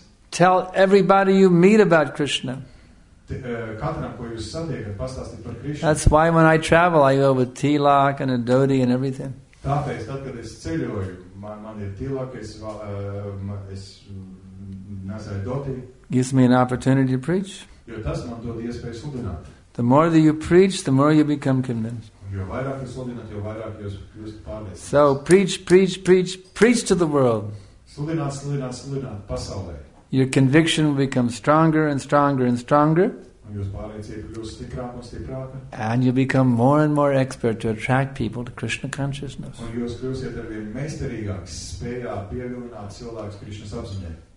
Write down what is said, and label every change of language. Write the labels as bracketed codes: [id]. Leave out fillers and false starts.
[en] Tell everybody you meet about Krishna. [lv] Katram, ko jūs satiekat, pastāstīt par Krishna. [en] That's why when I travel, I go with Tilak and Adodi and everything. [lv] Tāpēc, tad, kad es ceļoju, man ir Tilak, es nesēju Adodi. [en] Gives me an opportunity to preach. [lv] Jo tas man dod iespēju sludināt. [en] The more that you preach, the more you become convinced. [lv] Jo vairāk jūs sludināt, jo vairāk jūs kļūst pārliecināts. [en] So, preach to the world. [lv] Sludināt pasaulē. [en] Your conviction will become stronger and stronger and stronger. [lv] Un jūs pārliecība kļūst stiprāka un stiprāka. [en] And you become more and more expert to attract people to Krishna consciousness. [lv] Un jūs kļūsiet arvien meisterīgāks spējā pievilināt cilvēkus Krishna apziņai.